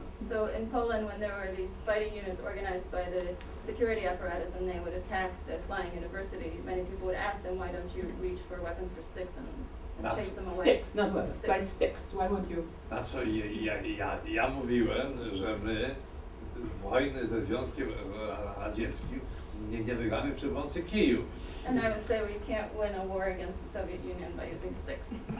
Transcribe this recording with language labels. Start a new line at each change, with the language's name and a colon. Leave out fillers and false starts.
English: So in Poland, when there were these fighting units organized by the security apparatus and they would attack the flying university, many people would ask them, why don't you reach for weapons for sticks and chase them away? Sticks, not weapons, by sticks, why won't you?
Polish: Na co ja mówiłem, że my wojny ze Związkiem Radzieckim nie wygramy przy pomocy kijów.
English: And I would say we can't win a war against the Soviet Union by using sticks.